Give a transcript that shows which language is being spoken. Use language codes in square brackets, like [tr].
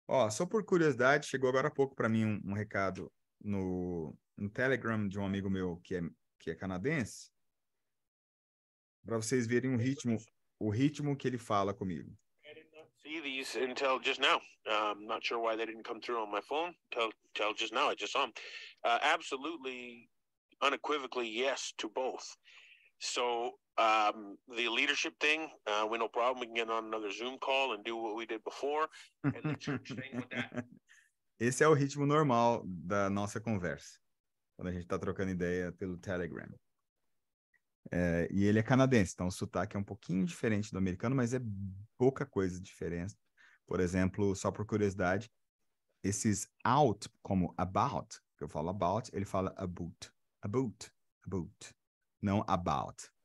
[pt] Só por curiosidade, chegou agora há pouco para mim um recado no Telegram de um amigo meu que é canadense, para vocês verem o ritmo que ele fala comigo. [en] I did not see these until just now. I'm not sure why they didn't come through on my phone until just now. I just saw them. Absolutely, unequivocally, yes to both. So the leadership thing, we no problem. We can get on another Zoom call and do what we did before. And the church thing with that. [pt] Esse é o ritmo normal da nossa conversa. Quando a gente está trocando ideia pelo Telegram. E ele é canadense, então o sotaque é um pouquinho diferente do americano, mas é pouca coisa diferente. Por exemplo, só por curiosidade, esses out, como about, que eu falo about, ele fala about, about, about, não about.